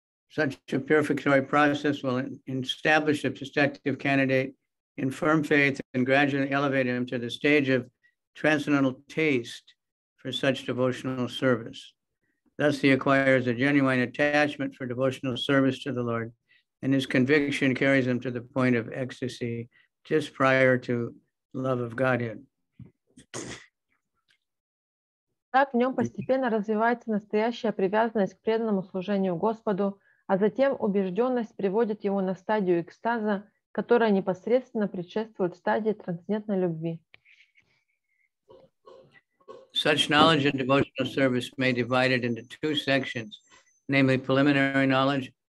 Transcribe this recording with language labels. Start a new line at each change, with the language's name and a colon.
English: Such a purificatory process will establish a prospective candidate in firm faith and gradually elevate him to the stage of transcendental taste for such devotional service. Thus, he acquires a genuine attachment for devotional service to the Lord, and his conviction carries him to the point of ecstasy just prior to love of Godhead.
Russian: Так в нем постепенно развивается настоящая привязанность к преданному служению Господу. А затем убежденность приводит его на стадию экстаза, которая непосредственно предшествует стадии трансцендентной любви.
English: Such knowledge and devotional service may be divided into two sections, namely preliminary knowledge